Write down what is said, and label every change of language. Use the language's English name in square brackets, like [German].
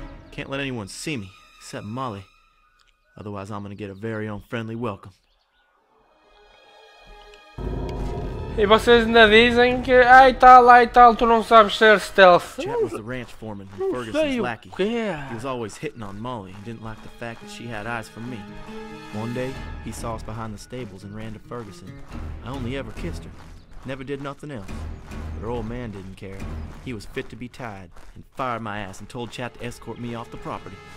[English] Can't let anyone see me, except Molly. Otherwise I'm gonna get a very unfriendly welcome. [Portuguese] E vocês ainda dizem que. Ai tal, tu não sabes ser stealth. [English] Chat was the ranch foreman, Ferguson's lackey. He was always hitting on Molly and didn't like the fact that she had eyes for me. One day, he saw us behind the stables and ran to Ferguson. I only ever kissed her. Never did nothing else. But her old man didn't care. He was fit to be tied and fired my ass and told Chat to escort me off the property.